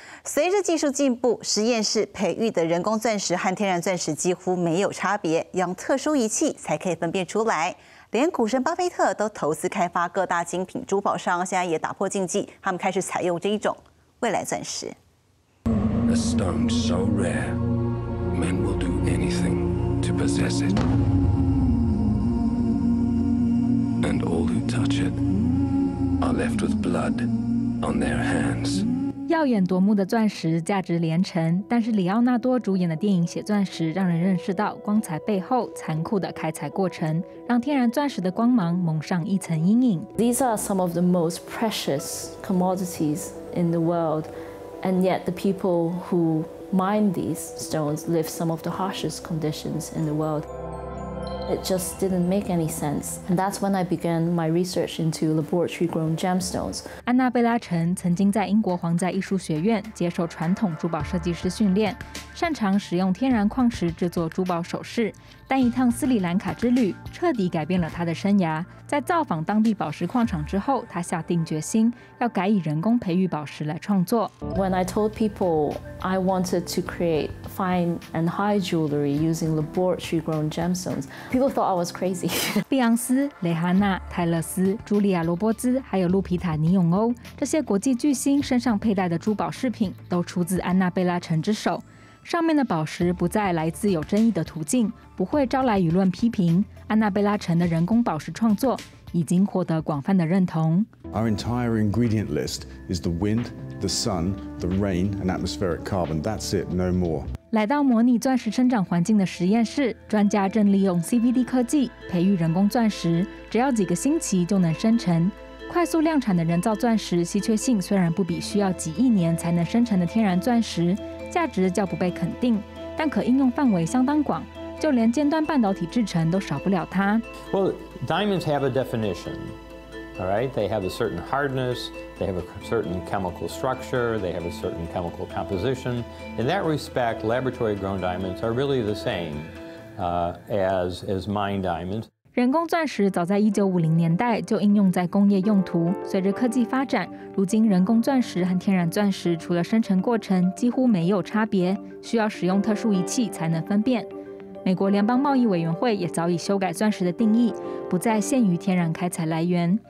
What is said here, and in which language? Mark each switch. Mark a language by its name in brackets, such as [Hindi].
[Chinese] 随着技术进步，实验室培育的人工钻石和天然钻石几乎没有差别，用特殊仪器才可以分辨出来。连股神巴菲特都投资开发各大精品珠宝商，现在也打破禁忌，他们开始采用这一种未来钻石。 [English] A stone so rare, men will do anythingTo possess it, and all who touch it are left with blood on their hands. [Chinese] 耀眼夺目的钻石价值连城，但是里奥纳多主演的电影《血钻石》让人认识到光彩背后残酷的开采过程，让天然钻石的光芒蒙上一层阴影。 [English] These are some of the most precious commodities in the world, and yet the people who mine these stones live some of the harshest conditions in the world. It just didn't make any sense. And that's when I began my research into laboratory-grown gemstones. [Chinese] 安娜贝拉陈曾经在英国皇家艺术学院接受传统珠宝设计师训练，擅长使用天然矿石制作珠宝首饰。但一趟斯里兰卡之旅彻底改变了他的生涯。在造访当地宝石矿场之后，他下定决心要改以人工培育宝石来创作。 [English] When I told people I wanted to create fine and high jewelry using laboratory-grown gemstones, people thought I was crazy. [Chinese] 碧昂斯、蕾哈娜、泰勒斯、茱莉亚·罗伯兹，还有露皮塔·尼永欧，这些国际巨星身上佩戴的珠宝饰品都出自安娜贝拉陈之手。上面的宝石不再来自有争议的途径，不会招来舆论批评。安娜贝拉陈的人工宝石创作已经获得广泛的认同。 [English] Our entire ingredient list is the wind, the sun, the rain, and atmospheric carbon. That's it, no more. [Chinese] 来到模拟钻石生长环境的实验室，专家正利用 CVD 科技培育人工钻石，只要几个星期就能生成。快速量产的人造钻石稀缺性虽然不比需要几亿年才能生成的天然钻石，价值较不被肯定，但可应用范围相当广，就连尖端半导体制程都少不了它。 [English] Well, diamonds have a definition, all right? They have a certain hardness, they have a certain chemical structure, they have a certain chemical composition. In that respect, laboratory-grown diamonds are really the same as mined diamonds. [Chinese] 人工钻石早在1950年代就应用在工业用途，随着科技发展，如今人工钻石和天然钻石除了生成过程几乎没有差别，需要使用特殊仪器才能分辨。美国联邦贸易委员会也早已修改钻石的定义，不再限于天然开采来源。